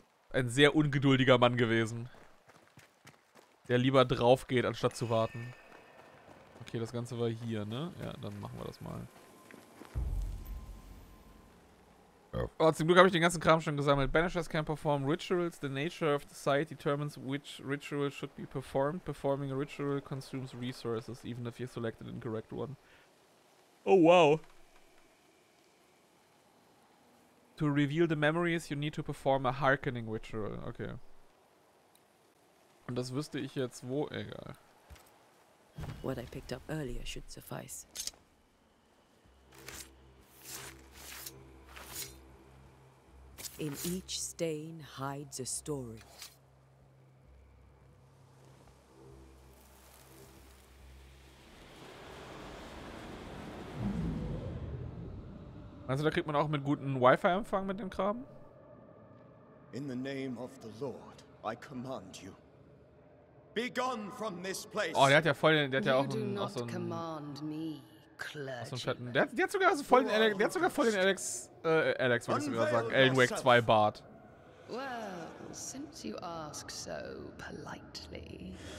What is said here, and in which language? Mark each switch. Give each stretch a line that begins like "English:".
German: Ein sehr ungeduldiger Mann gewesen. Der lieber drauf geht, anstatt zu warten. Okay, das Ganze war hier, ne? Ja, dann machen wir das mal. Oh, zum Glück habe ich den ganzen Kram schon gesammelt.
English: Banishers can perform rituals. The nature of the site determines which ritual should be performed. Performing a ritual consumes resources, even if you select an incorrect one. Oh, wow. To reveal the memories, you need to perform a hearkening ritual.
German: Okay. Und das wüsste ich jetzt wo, egal.
English: What I picked up earlier should suffice. In each stain hides a story.
German: Also da kriegt man auch mit guten Wi-Fi-Empfang mit dem Kram.
English: In the name of the Lord, I command you. Be gone from this place.
German: Oh, der hat ja voll, der hat ja auch einen, auch so einen, auch so einen Schatten. Der hat sogar so voll den Alex, der hat sogar voll den Alex, Alex, wollte ich sogar sagen, Alan Wake 2 Bart.
English: Well, since you ask so politely.